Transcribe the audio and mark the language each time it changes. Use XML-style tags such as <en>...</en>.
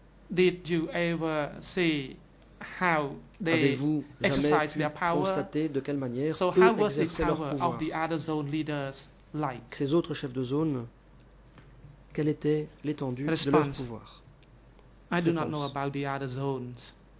<en>Did you ever see how they exercise their power?</en> <fr>Avez-vous jamais constaté de quelle manière</fr> <en>so</en> <fr>eux exerçaient leur pouvoir?</fr> <en>Of the other zone leaders like?</en> <fr>Ces autres chefs de zone, quelle était l'étendue</fr> <en>Response.</en> <fr>De leur pouvoir?</fr> <en>I do not know about the other zones.</en>